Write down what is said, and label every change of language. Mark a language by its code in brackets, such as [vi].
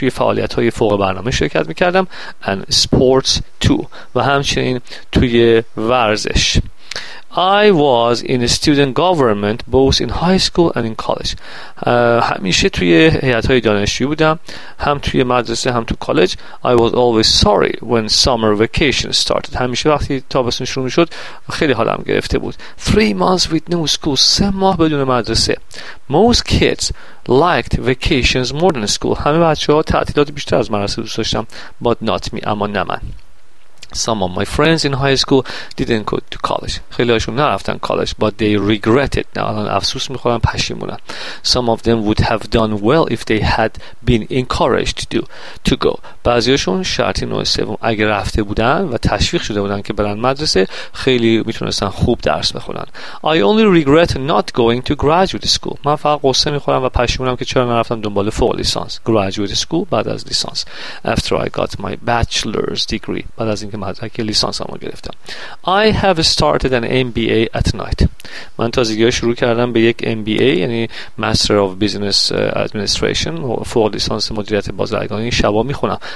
[fa] توی فعالیت‌های فوق برنامه شرکت می‌کردم [en] and sports too. [fa] و همچنین توی ورزش. [en] I was in student government both in high school and in college. [fa] همیشه توی هیئت‌های دانشجویی بودم, هم توی مدرسه هم تو کالج. [en] I was always sorry when summer vacation started. [fa] همیشه وقتی تابستون شروع می‌شد خیلی حالم گرفته بود. [en] 3 months with no school. [fa] 3 ماه بدون مدرسه. [en] Most kids liked vacations more than school. [fa] همه بچه‌ها تعطیلات بیشتر از مدرسه دوست داشتن. [en] But not me. [fa] اما نه من. [en] Some of my friends in high school didn't go to college. [fa] خیلی هاشون نرفتن کالج, [en] but they regretted. [fa] نه الان افسوس میخورن, پشیمونن. [en] Some of them would have done well if they had been encouraged to go. [fa] بعضی هاشون شرطی نوع سوم اگه رفته بودن و تشویق شده بودن که برن مدرسه, خیلی میتونستن خوب درس بخونن. [en] I only regret not going to graduate school. [fa] من فقط قصه میخورم و پشیمونم که چرا نرفتم دنبال فوق لیسانس. [en] Graduate school [fa] بعد از لیسانس. [en] After I got my bachelor's degree. [fa] بعد از اینکه مدرک لیسانس هم گرفتم. [en] I have started an MBA at night. [fa] من تازگی ها شروع کردم به یک MBA یعنی [en] Master of Business Administration [fa] و فوق لیسانس مدیریت بازرگانی شبا میخونم.